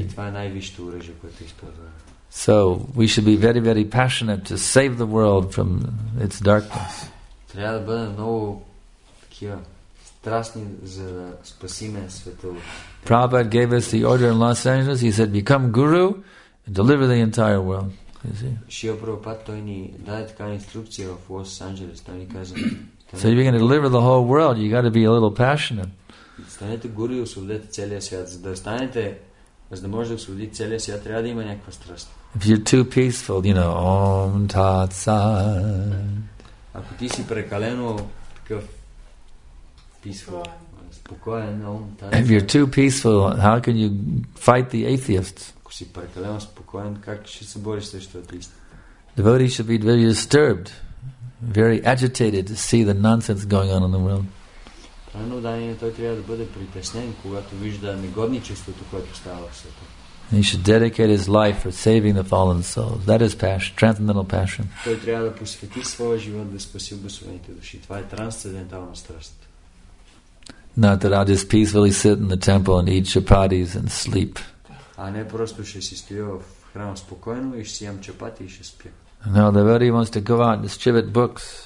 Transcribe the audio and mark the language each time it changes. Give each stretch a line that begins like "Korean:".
Bulgarian: И това е най-вищото оръжие, което използва.
English: So we should be very, very passionate to save the world from its darkness.
Bulgarian: Трябва да бъдем много такива страстни, за да спасим света.
English: Prabhupada gave us the order in Los Angeles. He said, "Become guru and deliver the entire world."
Bulgarian: Шрила Прабхупада той ни даде такава инструкция в Лос Анджелес. Той ни каза.
English: So if you're going to deliver the whole world, you got to be a little passionate.
Bulgarian: Станете гуру и освободете целия свят. За да станете, за да може да освободи целия свят, трябва да има някаква страст.
English: If you're too peaceful, you know, Om Tat Sat.
Bulgarian: Ако ти си прекалено такъв peaceful, спокоен, Om Tat
English: Sat. If you're too peaceful, how can you fight the atheists?
Bulgarian: Ако си прекалено спокоен, как ще се бориш срещу атеистите?
English: Devotees should be very disturbed, very agitated to see the nonsense going on in the world.
Bulgarian: Но Даниил, той трябва да бъде притеснен, когато вижда негодничеството, което става в света.
English: He should dedicate his life for saving the fallen souls. That is passion, transcendental passion.
Bulgarian: Той трябва да посвети своя живот да спаси обесвените души. Това е трансцендентална страст.
English: Not that I'll just peacefully sit in the temple and eat chapatis and sleep.
Bulgarian: А не просто ще си стоя в храма спокойно и ще си ям чапати и ще спя.
English: No, the devotee wants to go out and distribute books.